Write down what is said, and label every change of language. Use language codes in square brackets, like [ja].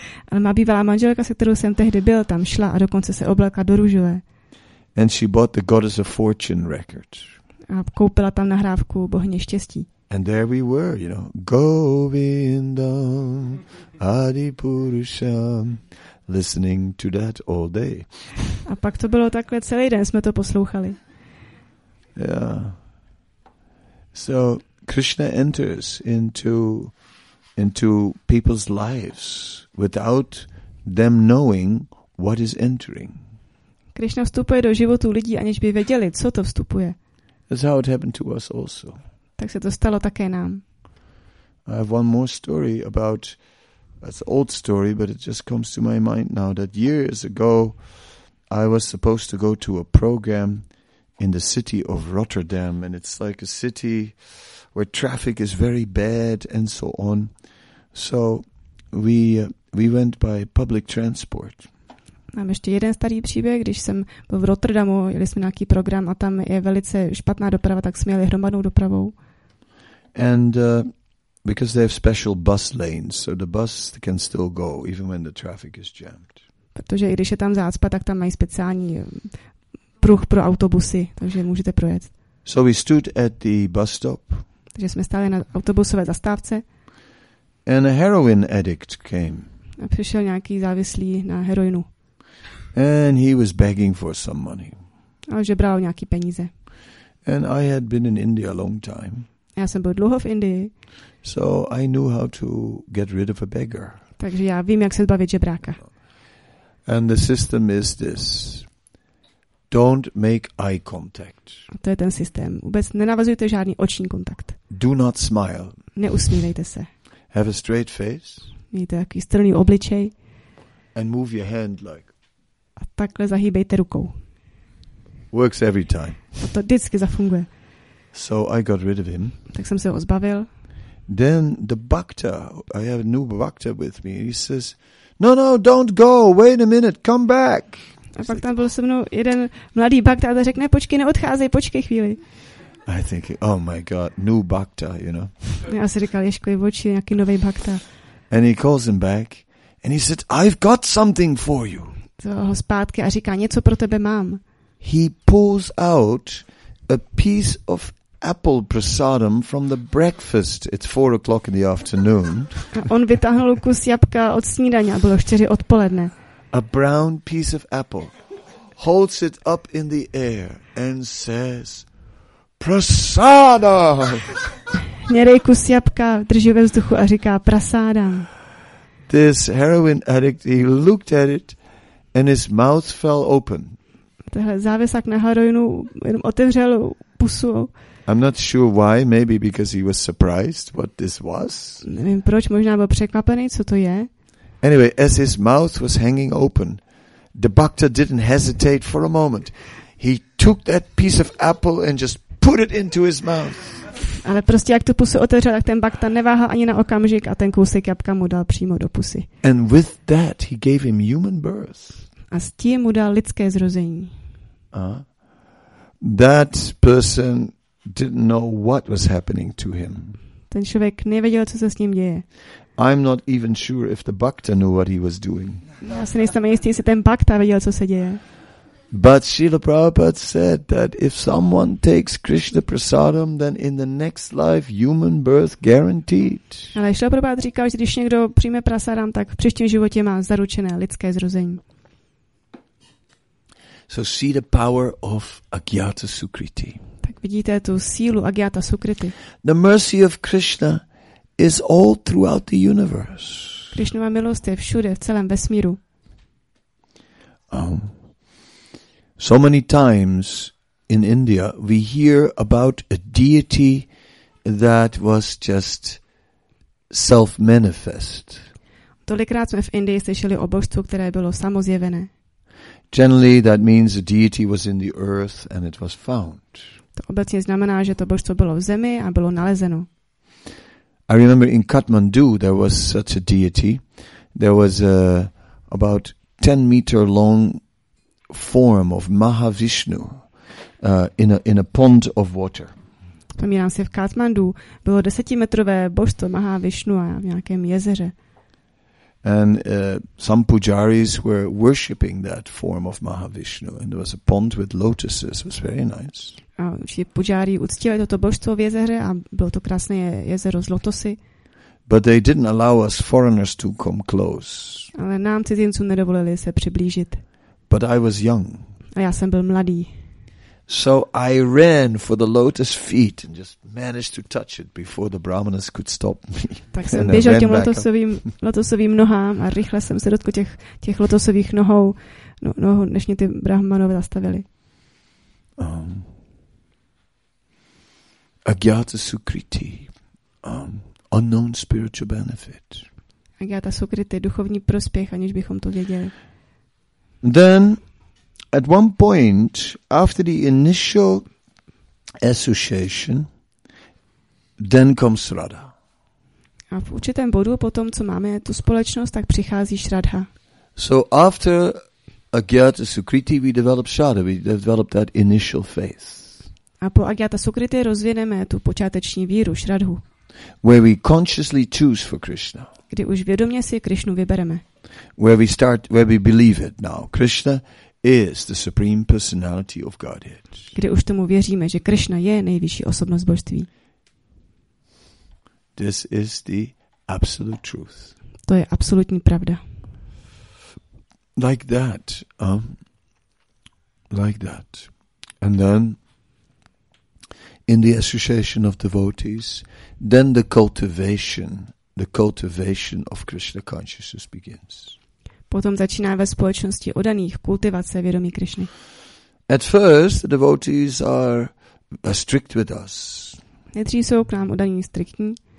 [cs] Ale má bývalá manželka, se kterou jsem tehdy byl, tam šla a dokonce se oblékla do růžové. [en] And she bought the Goddess of Fortune record. [cs] A koupila tam nahrávku Bohyně štěstí. [en] And there we were, you know, [sa] Govindam Adi Purusham, [en] listening to that all day. [cs] A pak to bylo takhle celý den, jsme to poslouchali. [en] Yeah. So Krishna enters into people's lives without them knowing what is entering. [cs] Krishna vstupuje do životu lidí, aniž by věděli, co to vstupuje. [en] That's how it happened to us also. [cs] Tak se to stalo také nám. [en] I have one more story about, it's an old story, but it just comes to my mind now, that years ago I was supposed to go to a program in the city of Rotterdam, and it's like a city where traffic is very bad and so on. So we went by public transport. [cs] Mám ještě jeden starý příběh, když jsem byl v Rotterdamu, jeli jsme nějaký program a tam je velice špatná doprava, tak jsme jeli hromadnou dopravou. [en] And because they have special bus lanes, so the bus can still go even when the traffic is jammed. [cs] Protože i když je tam zácpa, tak tam mají speciální pruh pro autobusy, takže můžete projet. [en] So we stood at the bus stop. [cs] Takže jsme stáli na autobusové zastávce. [en] And a heroin addict came. [cs] A přišel nějaký závislý na heroinu. [en] And he was begging for some money. [cs] A žebral nějaký peníze. [en] And I had been in India a long time. [cs] Já jsem byl dlouho v Indii. [en] So I knew how to get rid of a beggar. [cs] Takže já vím, jak se zbavit žebráka. [en] And the system is this. Don't make eye contact. [cs] A to je ten systém. Vůbec nenavazujte žádný oční kontakt. [en] Do not smile. [cs] Neusmívejte se. [en] Have a straight face. [cs] Mějte takový strný obličej. [en] And move your hand like. [cs] A takhle zahýbejte rukou. [en] Works every time. [cs] A to vždycky zafunguje. [en] So I got rid of him. [cs] Tak jsem se ho zbavil. [en] Then the bhakta, I have a new bhakta with me. He says, no, no, don't go, wait a minute, come back. [cs] A pak tam byl se mnou jeden mladý bhakta a řekne, počkej, neodcházej, počkej chvíli. [en] I think, oh my God, new bhakta, you know. [cs] Já si říkal, ješkuji v oči, nějaký nový bhakta. [en] And he calls him back and he said, I've got something for you. [cs] Zvolal ho zpátky a říká, něco pro tebe mám. [en] He pulls out a piece of apple prasadam from the breakfast. It's 4 o'clock in the afternoon. [cs] A on vytáhnul kus jabka od snídaně a bylo 4 odpoledne. [en] A brown piece of apple, holds it up in the air and says, prasada! [cs] Měrej kus jabka, drží ve vzduchu a říká, prasada. [en] This heroin addict, he looked at it and his mouth fell open. [cs] Tohle závisák na heroinu jenom otevřel pusu. [en] I'm not sure why, maybe because he was surprised what this was. [cs] Nevím proč, možná byl překvapený, co to je. [en] Anyway, as his mouth was hanging open, the bhakta didn't hesitate for a moment. He took that piece of apple and just put it into his mouth. [cs] Ale prostě jak tu pusu otevřel, tak ten bhakta neváhal ani na okamžik a ten kousek jabka mu dal přímo do pusy. [en] And with that, he gave him human birth. [cs] A s tím mu dal lidské zrození. [en] That person didn't know what was happening to him. [cs] Ten člověk nevěděl, co se s ním děje. [en] I'm not even sure if the bhakta knew what he was doing. [cs] Já si nejsem jistý, jestli ten bhakta věděl, co se děje. [en] But Srila Prabhupada said that if someone takes Krishna prasadam, then in the next life human birth guaranteed. [cs] Ale Srila Prabhupada říkal, že když někdo přijme prasadam, tak v příštím životě má zaručené lidské zrození. [en] So see the power of Agyata Sukriti. [cs] Tak vidíte tu sílu Agyata Sukriti. [en] The mercy of Krishna is all throughout the universe. [cs] Krishnova milost je všude, v celém vesmíru. [en] So many times in India we hear about a deity that was just self-manifest. [cs] Tolikrát jsme v Indii slyšeli o božstvu, které bylo samozjevené. [en] Generally that means a deity was in the earth and it was found. [cs] To obecně znamená, že to božstvo bylo v zemi a bylo nalezeno. [en] I remember in Kathmandu there was such a deity. There was a about 10 meter long form of Mahavishnu in a pond of water. [cs] Vzpomínám si, v Kathmandu bylo 10metrové božstvo Mahavishnu a v nějakém jezeře. [en] And some pujaris were worshipping that form of Mahavishnu, and there was a pond with lotuses. It was very nice. [cs] A ti pujari uctili toto božstvo v jezeře a bylo to krásné jezero s lotosy. [en] But they didn't allow us foreigners to come close. [cs] Ale nám cizincům nedovolili se přiblížit. [en] But I was young. [cs] A já jsem byl mladý. [en] So I ran for the lotus feet and just managed to touch it before the brahmanas could stop me. [cs] Tak jsem běžel těm lotosovým nohám a rychle jsem se dotkl těch lotosových nohou, než mě ty brahmanové zastavili. [en] Agyata Sukriti, unknown spiritual benefit. [cs] Agyata Sukriti, duchovní prospěch, aniž bychom to věděli. [en] Then, at one point, after the initial association, then comes Shraddha. [cs] A v určitém bodu, potom, co máme tu společnost, tak přichází Shraddha. [en] So after Agyata Sukriti, we develop Shraddha, we develop that initial faith. [cs] A po Agyata Sukriti rozvineme tu počáteční víru, Shraddhu. [en] Where we consciously choose for Krishna. [cs] Kdy už vědomě si Krishnu vybereme. [en] Where we believe it now. Krishna is the supreme personality of Godhead. [cs] Kdy už tomu věříme, že Krishna je nejvyšší osobnost božství. [en] This is the absolute truth. [cs] To je absolutní pravda. [en] Like that. Like that. And then in the association of devotees, then the cultivation of Krishna consciousness begins. [cs] Potom začíná ve společnosti odaných kultivace vědomí Krishny. [en] At first, the devotees are strict with us. [cs] Nejdřív jsou k nám odaní striktní.